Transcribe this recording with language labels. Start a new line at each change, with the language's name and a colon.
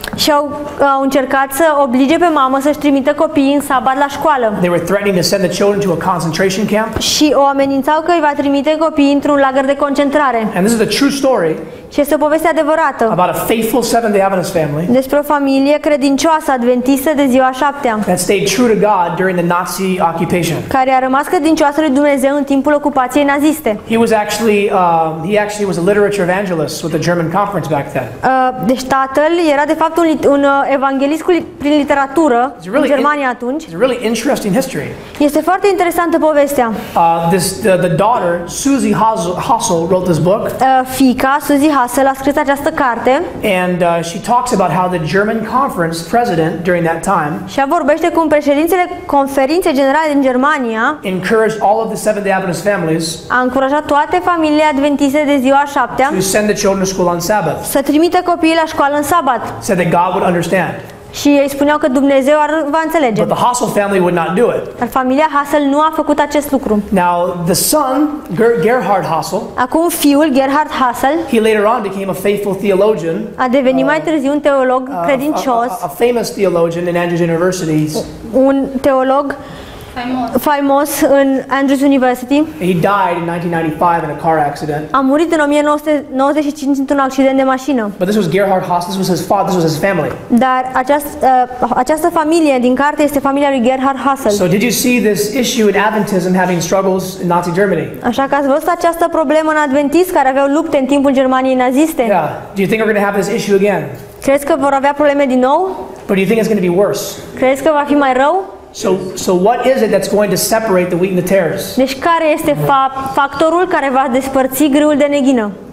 Romanian: Și au încercat să oblige pe mamă să-și trimită copiii în sabat la școală.
English: They were threatening to send the children to a concentration camp.
Romanian: Și o amenințau că îi va trimite copiii într-un lagăr de concentrare.
English: And this is a true story.
Romanian: Și este o poveste adevărată.
English: About a faithful Seventh-day Adventist family.
Romanian: Despre o familie credincioasă adventistă de ziua șaptea.
English: That stayed true to God during the Nazi occupation.
Romanian: Care a rămas credincioasă lui Dumnezeu în timpul ocupației naziste.
English: He actually was a literature evangelist with the German conference back then.
Romanian: Deci tatăl era de fapt un evanghelist prin literatură în Germania atunci.
English: It's a really interesting history.
Romanian: Este foarte interesantă povestea.
English: The daughter, Susie Hassel, wrote this book.
Romanian: Fiica Susie Hassel a scris această carte.
English: And she talks about how the German conference president during that time.
Romanian: Și vorbește cum președintele conferinței generale din Germania
English: encouraged all of the Seventh-day Adventist families.
Romanian: A încurajat toate familiile adventiste de ziua șaptea.
English: To send the children to school on Sabbath.
Romanian: Să trimită copiii la școală în sabat.
English: Said that God would understand.
Romanian: Și ei spuneau că Dumnezeu ar va înțelege.
English: But the Hassel family would not do it.
Romanian: Dar familia Hassel nu a făcut acest lucru.
English: Now the son, Gerhard Hassel.
Romanian: Acum fiul Gerhard Hassel.
English: He later on became a faithful theologian.
Romanian: A devenit mai târziu un teolog credincios.
English: A famous theologian in Andrews University.
Romanian: Un teolog faimos în Andrews University.
English: He died in 1995 in a car accident.
Romanian: A murit în 1995 într-un accident de mașină.
English: But this was Gerhard Hassel. This was his family.
Romanian: Dar această familie din carte este familia lui Gerhard Hassel.
English: So did you see this issue in Adventism having struggles in Nazi Germany?
Romanian: Așa că ați văzut această problemă în adventism care aveau lupte în timpul Germaniei naziste?
English: Yeah. Do you think we're going to have this issue again?
Romanian: Crezi că vor avea probleme din nou?
English: But do you think it's going to be worse?
Romanian: Crezi că va fi mai rău?
English: So what is it that's going to separate the wheat and the tares?
Romanian: Deci care este factorul care va despărți grâul de neghină?